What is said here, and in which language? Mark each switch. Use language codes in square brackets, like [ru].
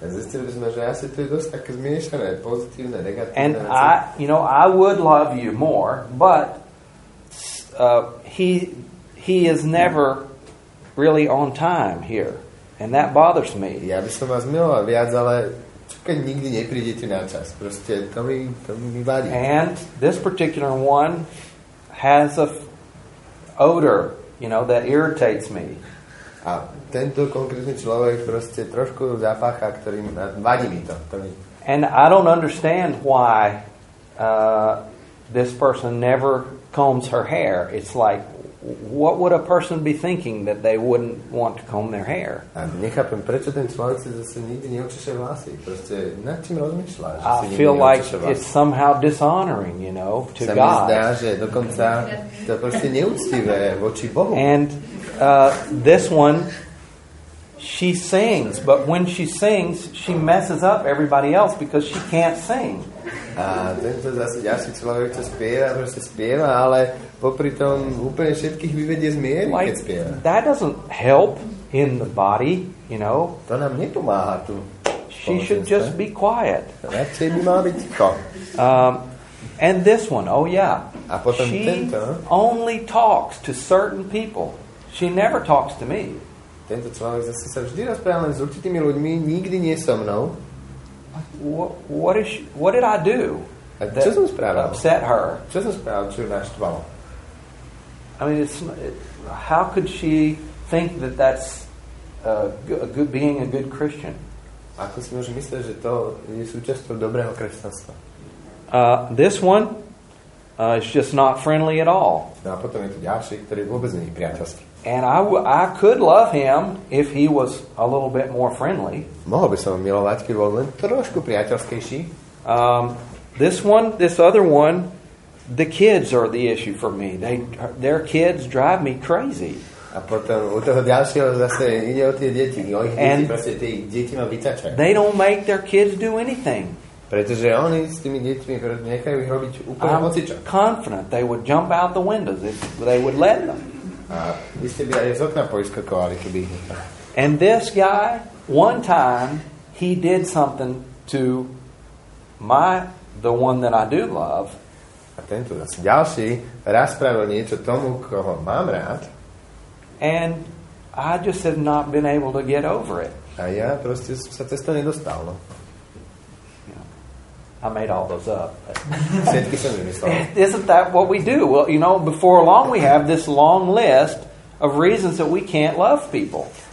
[sk] Zistili by sme, že asi to je dosť také zmiešané, pozitívne, negatívne. [en] And I, you know, I would love you more, but he is never really on time here. And that bothers me. [sk] Ja by som vás miloval viac, ale keď nikdy neprídete na čas. Proste to mi vadí. [en] And this particular one has a odor, you know, that irritates me. [sk] A tento konkrétny človek proste trošku zapácha, ktorý vadí mi to. [en] And I don't understand why this person never combs her hair. It's like, what would a person be thinking that they wouldn't want to comb their hair? I feel like it's somehow dishonoring, you know, to God. And this one, she sings, but when she sings, she messes up everybody else because she can't sing. [sk] A tento zase ďalší človek, čo spieva, proste spieva, ale popri tom úplne všetkých vyvedie z miery, [en] like, [sk] keď spieva. [en] That doesn't help in the body, you know. [sk] To nám nepomáha tu. [en] She should just be quiet. [sk] Radšej by mala byť ticho. [en] And this one, oh yeah. [sk] A potom [en] she [sk] tento. [en] Only talks to certain people. She never talks to me. [sk] Tento človek zase sa vždy rozpráva len s určitými ľuďmi, nikdy nie so mnou. [en] What did I do that upset her? I mean, how could she think that that's being a good Christian? [sk] Ako si môže myslieť, že to je súčasťou dobrého kresťanstva? [en] This one is just not friendly at all. [sk] No a potom je tu ďalší, ktorý vôbec nie je priateľský. [en] And I could love him if he was a little bit more friendly. [sk] Mohol by som milovať, keď bol len trošku priateľskejší. [en] This other one, the kids are the issue for me. Their kids drive me crazy. [sk] A potom u toho ďalšieho zase ide o tie deti. O ich deti, proste tie deti ma vytačajú. [en] They don't make their kids do anything. [sk] Pretože oni s tými deťmi nechajú ich robiť úplne hocičo. [en] I'm confident they would jump out the windows if they would let them. [sk] A vy ste by aj z okna poiskakovali, keby... [en] And this guy, one time, he did something to the one that I do love. [sk] A tento zase ďalší raz spravil niečo tomu, koho mám rád. [en] And I just have not been able to get over it. [sk] A ja proste sa cez to nedostal. No. [en] I made all those up. But isn't that what we do? Well, you know, before long we have this long list of reasons that we can't love people.